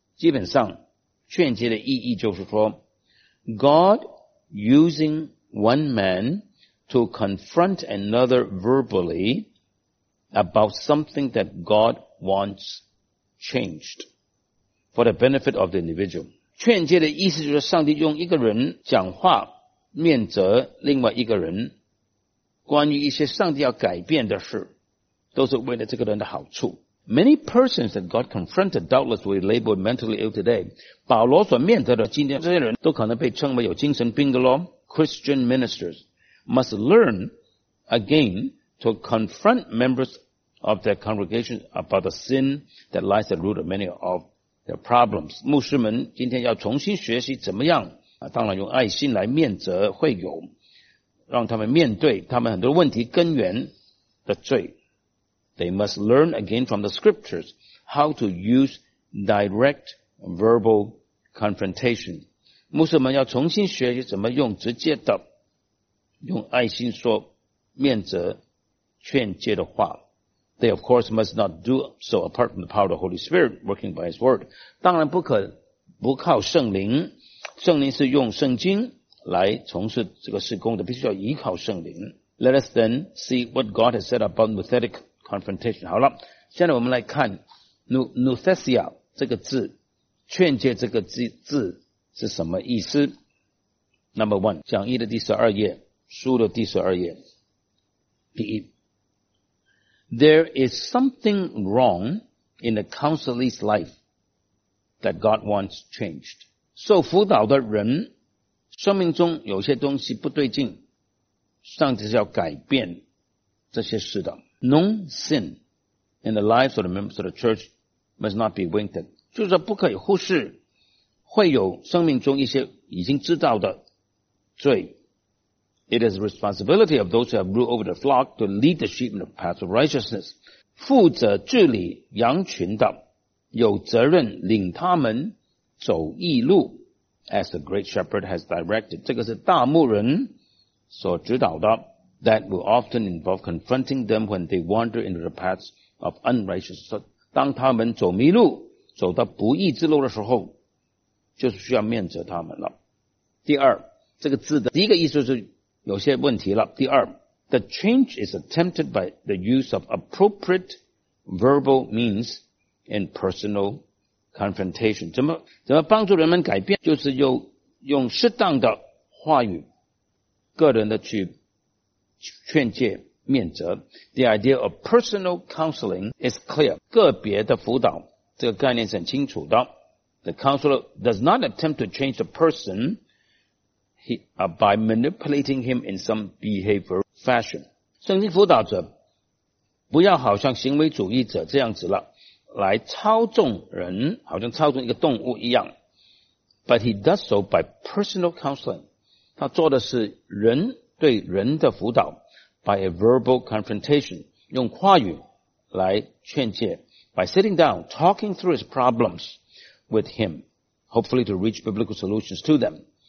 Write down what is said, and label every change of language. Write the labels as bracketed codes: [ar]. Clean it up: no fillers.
[zh] 基本上劝诫的意义就是说 [en] God using one man to confront another verbally about something that God wants changed. For the benefit of the individual. [zh] 劝诫的意思就是上帝用一个人讲话面责另外一个人关于一些上帝要改变的事都是为了这个人的好处。 [en] Many persons that God confronted doubtless were labeled mentally ill today. [zh] 保罗所面责的今天这些人都可能被称为有精神病的咯。 [en] Christian ministers must learn again to confront members of their congregation about the sin that lies at the root of many of The problems. [zh] 牧师们今天要重新学习怎么样、啊、当然用爱心来面责会友让他们面对他们很多问题根源的罪 [en] They must learn again from the scriptures how to use direct verbal confrontation. [zh] 牧师们要重新学习怎么用直接的、用爱心说面责、劝诫的话。 [en] They of course must not do so apart from the power of the Holy Spirit working by His Word. [zh] 当然不可不靠圣灵，圣灵是用圣经来从事这个事工的，必须要依靠圣灵。 [en] Let us then see what God has said about nuthetic confrontation. [zh] 好了，现在我们来看 nuthesia 这个字，劝诫这个字是什么意思。 [en] Number one, [zh] 讲义的第十二页，书的第十二页，第一。 [en] There is something wrong in the counselee's life that God wants changed. [zh] 受辅导的人生命中有些东西不对劲，上帝是要改变这些事的。 [en] Known sin in the lives of the members of the church must not be winked at. [zh] 就是说不可以忽视会有生命中一些已经知道的罪。 [en] It is the responsibility of those who have ruled over the flock to lead the sheep in the path of righteousness. [zh] 负责治理羊群的有责任领他们走义路 [en] as the great shepherd has directed. [zh] 这个是大牧人所指导的 [en] that will often involve confronting them when they wander into the paths of unrighteousness. [zh] 当他们走迷路走到不义之路的时候就是需要面责他们了。第二这个字的第一个意思是有些问题了。 [en] 第二 The change is attempted by the use of appropriate verbal means in personal confrontation. [zh] 怎么帮助人们改变就是用适当的话语个人的去劝诫面责。 [en] The idea of personal counseling is clear. [zh] 个别的辅导这个概念是很清楚的。 [en] The counselor does not attempt to change the person by manipulating him in some behavior fashion. [zh] 圣经辅导者不要好像行为主义者这样子了来操纵人好像操纵一个动物一样。 [en] But he does so by personal counseling. [zh] 他做的是人对人的辅导 [en] by a verbal confrontation, [zh] 用话语来劝诫 [en] by sitting down, talking through his problems with him, hopefully to reach biblical solutions to them.